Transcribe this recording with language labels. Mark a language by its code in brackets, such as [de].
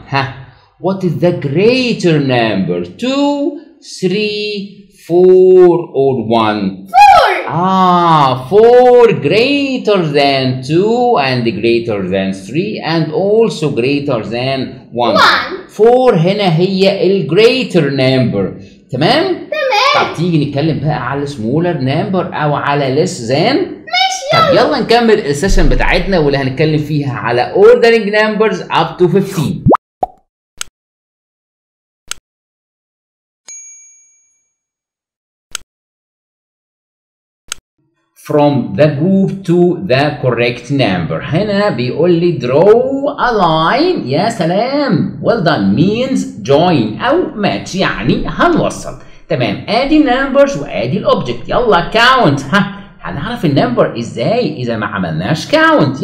[en] ها What is the greater number? 2, 3, 4, or 1? 4! Ah, 4 greater than 2 and greater than 3 and also greater than 1. [ar] 4 هنا هي ال greater number. تمام؟ تمام. طب تيجي نتكلم بقى على smaller number أو على less than؟ طب يلا نكمل السيشن بتاعتنا واللي هنتكلم فيها على ordering numbers up to 15. [en] From the group to the correct number. [ar] هنا بيقول لي [en] draw a line. [ar] يا سلام. [en] Well done. Means join أو match. [ar] يعني هنوصل. تمام. ادي numbers وادي الأوبجكت. يلا count. ها. هنعرف النمبر إزاي إذا ما عملناش count.